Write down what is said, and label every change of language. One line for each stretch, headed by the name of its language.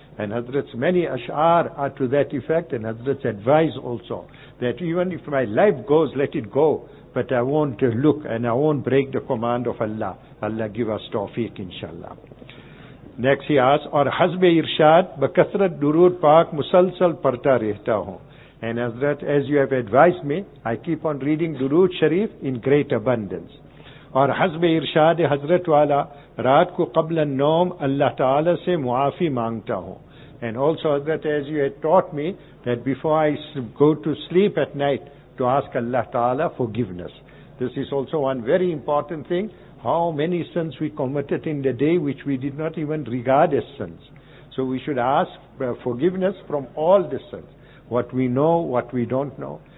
English: And Hazrat's many ash'ar are to that effect, and Hazrat's advice also, that even if my life goes, let it go, but I won't look, and I won't break the command of Allah. Allah give us tawfiq, inshallah. Next he asks,
Urdu: اور حسب ارشاد بکثرت درود پاک مسلسل پڑھتا رہتا ہوں.
English: And Hazrat, as you have advised me, I keep on reading Durood Sharif in great abundance.
Urdu: اور حسب ارشاد حضرت والا رات کو قبل النوم اللہ تعالی سے معافی مانگتا ہوں.
English: And also Hazrat, as you had taught me, that before I go to sleep at night, to ask Allah Ta'ala forgiveness. This is also one very important thing. How many sins we committed in the day which we did not even regard as sins. So we should ask forgiveness from all the sins. What we know, what we don't know.